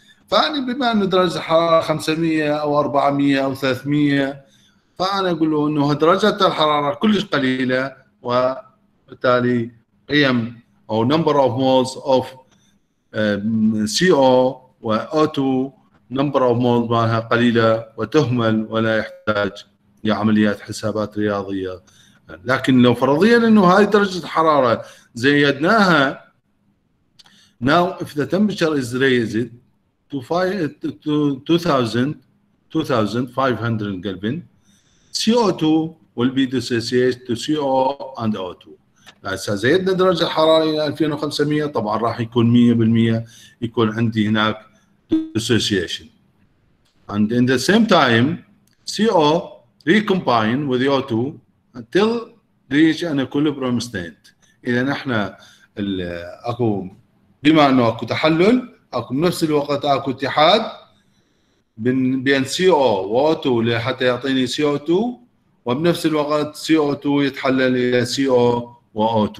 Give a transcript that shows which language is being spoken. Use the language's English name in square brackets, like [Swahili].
[Arabic] فاني بما ان درجه الحراره 500 او 400 او 300، فانا اقول له انه درجه الحراره كلش قليله، وبالتالي قيم او [English] number of moles of C O و O 2 number of moles [Arabic] مالها قليله وتهمل ولا يحتاج يا عمليات حسابات رياضية. لكن لو فرضيا انه هاي درجة حرارة زيدناها [English] now if the temperature is raised to 2500 Kelvin, CO2 will be dissociated to CO and O2. [Arabic] هسه زيدنا درجة الحرارة الى 2500 طبعا راح يكون 100% يكون عندي هناك dissociation. [English] And in the same time CO recombine with O2 until reach an equilibrium state. [Arabic] اذا احنا اكو بما انه اكو تحلل اكو بنفس الوقت اكو اتحاد بين CO و O2 لحتى يعطيني CO2 وبنفس الوقت CO2 يتحلل الى CO و O2.